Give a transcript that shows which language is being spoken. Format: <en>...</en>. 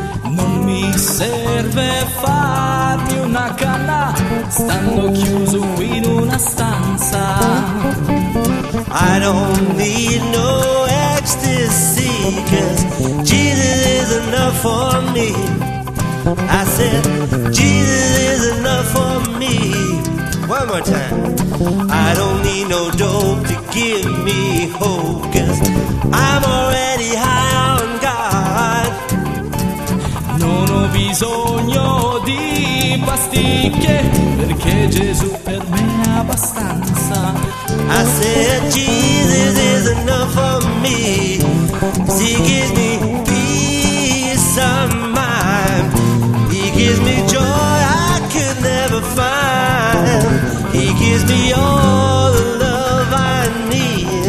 <it>Non mi serve farmi una canna, stando chiuso in una stanza.</it> <en>I don't need no ecstasy, 'cause Jesus is enough for me. I said, Jesus is enough for me. One more time. I don't need no dope to give me hope, 'cause I'm already high on God.</en> <it>Non ho bisogno di pasticche, perché Gesù per me è abbastanza.</it> <en>I said, Jesus is enough for me. He gives me peace of mind. He gives me joy I could never find. He gives me all the love I need.</en>